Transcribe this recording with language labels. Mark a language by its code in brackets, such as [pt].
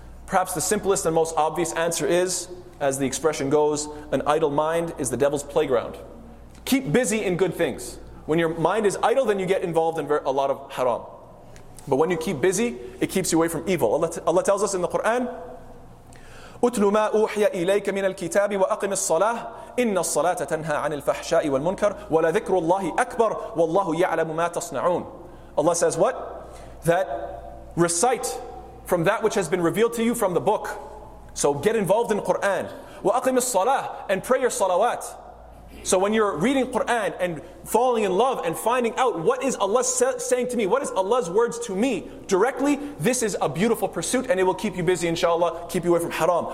[en] Perhaps the simplest and most obvious answer is, as the expression goes, an idle mind is the devil's playground. Keep busy in good things. When your mind is idle, then you get involved in a lot of haram. But when you keep busy, it keeps you away from evil. Allah tells us in the Quran, [ar] اتل ما أوحي إليك من الكتاب وأقم الصلاة إن الصلاة تنهى عن الفحشاء والمنكر ولذكر الله أكبر والله يعلم ما تصنعون. [en] Allah says what? That recite from that which has been revealed to you from the book. So get involved in Quran. [ar] وأقم الصلاة [en] and pray your salawat. So when you're reading Quran and falling in love and finding out what is Allah saying to me, what is Allah's words to me directly, this is a beautiful pursuit and it will keep you busy, inshallah, keep you away from haram.